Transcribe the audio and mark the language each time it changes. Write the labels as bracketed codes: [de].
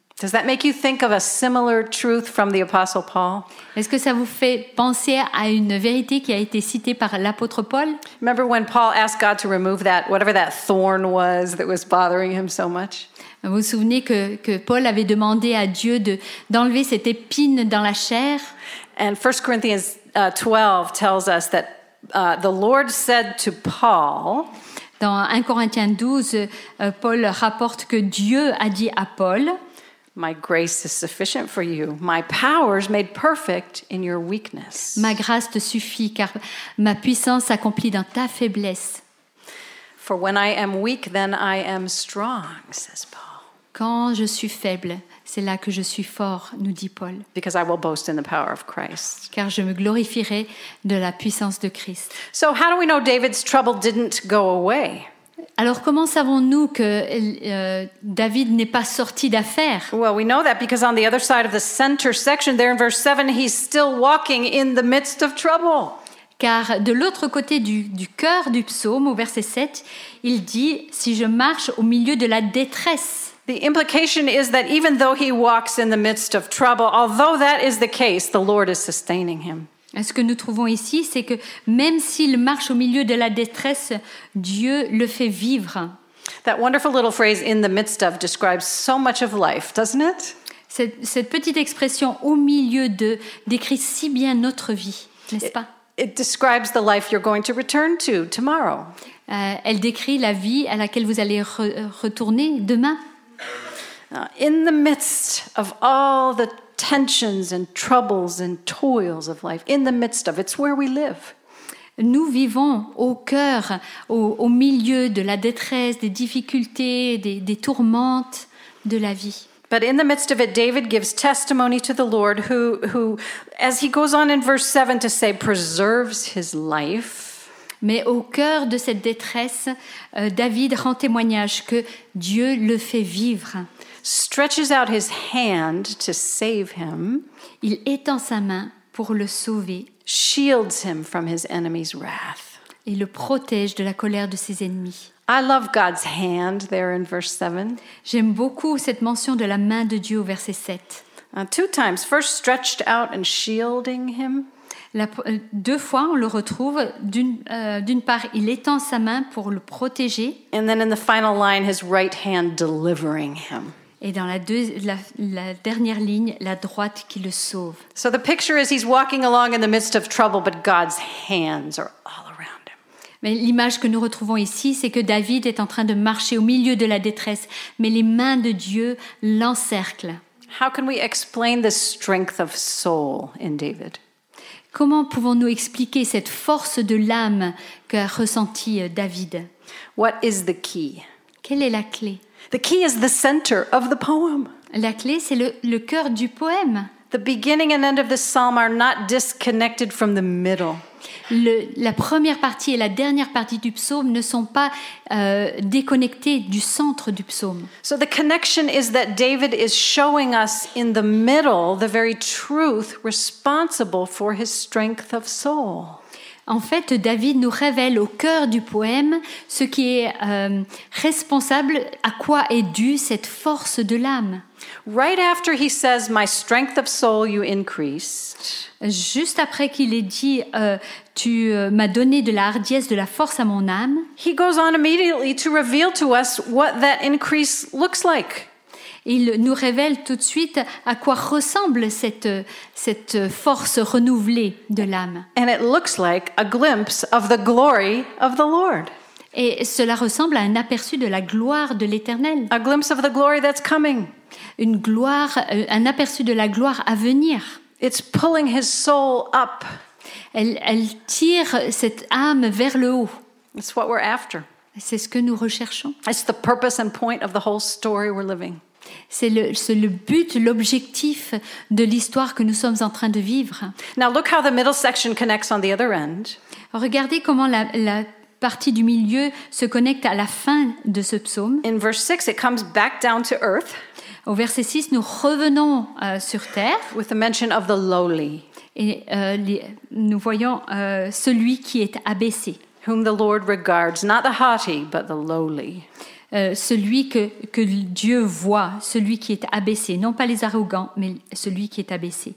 [en] Does that make you think of a similar truth from the Apostle Paul? [fr] Est-ce que ça vous fait penser à une vérité qui a été citée par l'apôtre Paul? [en] Remember when Paul asked God to remove that, whatever that thorn was that was bothering him so much? [fr] Vous vous souvenez que Paul avait demandé à Dieu d'enlever cette épine dans la chair? [en] And 1 Corinthians 12 tells us that the Lord said to Paul. [fr] Dans 1 Corinthiens 12, Paul rapporte que Dieu a dit à Paul. [en] My grace is sufficient for you. My power is made perfect in your weakness. [fr] Ma grâce te suffit car ma puissance s'accomplit dans ta faiblesse. [en] For when I am weak, then I am strong, says Paul. [fr] Quand je suis faible. C'est là que je suis fort, nous dit Paul. [en] Because I will boast in the power of Christ. [fr] Car je me glorifierai de la puissance de Christ. [en] So how do we know David's trouble didn't go away? [fr] Alors comment savons-nous que David n'est pas sorti d'affaire? [en] Well, we know that because on the other side of the center section there in verse 7, he's still walking in the midst of trouble. [fr] Car de l'autre côté du cœur du psaume, au verset 7, il dit « Si je marche au milieu de la détresse ». [en] The implication is that even though he walks in the midst of trouble, although that is the case, the Lord is sustaining him. [fr] Ce que nous trouvons ici, c'est que même s'il marche au milieu de la détresse, Dieu le fait vivre. [en] That wonderful little phrase « in the midst of » describes so much of life, doesn't it? [fr] Cette petite expression « au milieu de » décrit si bien notre vie, n'est-ce pas? [en] It describes the life you're going to return to tomorrow. [fr] Elle décrit la vie à laquelle vous allez retourner demain. [en] In the midst of all the tensions and troubles and toils of life, in the midst of, it's where we live. [fr] Nous vivons au cœur, au milieu de la détresse, des difficultés, des tourmentes de la vie. [en] But in the midst of it, David gives testimony to the Lord who, as he goes on in verse 7 to say, preserves his life. [fr] Mais au cœur de cette détresse, David rend témoignage que Dieu le fait vivre. [en] Stretches out his hand to save him. [fr] Il étend sa main pour le sauver. [en] Shields him from his enemy's wrath. [fr] Et le protège de la colère de ses ennemis. [en] I love God's hand there in verse 7. [fr] J'aime beaucoup cette mention de la main de Dieu au verset 7. [en] Two times, first stretched out and shielding him. [fr] Deux fois, on le retrouve. D'une part, il étend sa main pour le protéger. [en] And then in the final line, his right hand delivering him. [fr] Et dans la dernière ligne, la droite qui le sauve. [en] So the picture is he's walking along in the midst of trouble, but God's hands are all around him. [fr] Mais l'image que nous retrouvons ici, c'est que David est en train de marcher au milieu de la détresse, mais les mains de Dieu l'encerclent. [en] How can we explain the strength of soul in David? [fr] Comment pouvons-nous expliquer cette force de l'âme qu'a ressenti David? [en] What is the key? [fr] Quelle est la clé? [en] The key is the center of the poem. [fr] La clé, c'est le cœur du poème. [en] The beginning and end of the psalm are not disconnected from the middle. [fr] La première partie et la dernière partie du psaume ne sont pas déconnectées du centre du psaume. [en] So the connection is that David is showing us in the middle the very truth responsible for his strength of soul. [fr] En fait, David nous révèle au cœur du poème ce qui est responsable, à quoi est due cette force de l'âme. [en] Right after he says, "My strength of soul, you increase." [fr] Juste après qu'il ait dit, "Tu m'as donné de la hardiesse, de la force à mon âme." [en] He goes on immediately to reveal to us what that increase looks like. [fr] Il nous révèle tout de suite à quoi ressemble cette force renouvelée de l'âme. [en] And it looks like a glimpse of the glory of the Lord. [fr] Et cela ressemble à un aperçu de la gloire de l'Éternel. [en] A glimpse of the glory that's coming. [fr] Un aperçu de la gloire à venir. [en] It's pulling his soul up. [fr] Elle tire cette âme vers le haut. [en] It's what we're after. [fr] C'est ce que nous recherchons. [en] It's the purpose and point of the whole story we're living. [fr] C'est le but, l'objectif de l'histoire que nous sommes en train de vivre. [en] Now look how the middle section connects on the other end. [fr] Regardez comment la partie du milieu se connecte à la fin de ce psaume. [en] In verse 6, it comes back down to earth. [fr] Au verset 6, nous revenons sur terre. [en] With the mention of the lowly. [fr] Et nous voyons celui qui est abaissé. [en] Whom the Lord regards, not the haughty, but the lowly. [fr] Celui que Dieu voit, celui qui est abaissé, non pas les arrogants, mais celui qui est abaissé.